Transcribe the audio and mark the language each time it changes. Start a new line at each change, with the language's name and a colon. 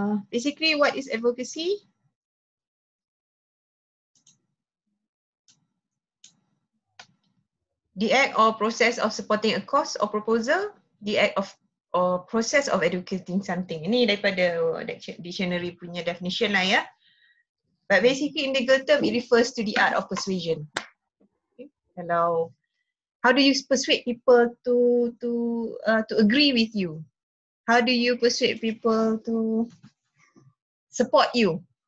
English: Basically, what is advocacy? The act or process of supporting a cause or proposal, the act of or process of advocating something.
Malay: Ini daripada dictionary punya definition lah ya.
English: But basically, in legal term, it refers to the art of persuasion. Okay. Hello. How do you persuade people to agree with you? How do you persuade people to support you?